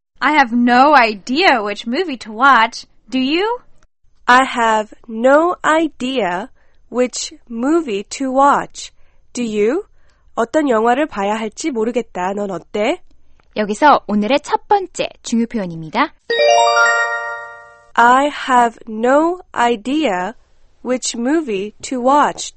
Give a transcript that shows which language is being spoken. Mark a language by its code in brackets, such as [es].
[en] I have no idea which movie to watch. Do you? I have no idea which movie to watch. Do you? [ko] 어떤 영화를 봐야 할지 모르겠다. 넌 어때? 여기서 오늘의 첫 번째 중요 표현입니다. [en] I have no idea which movie to watch.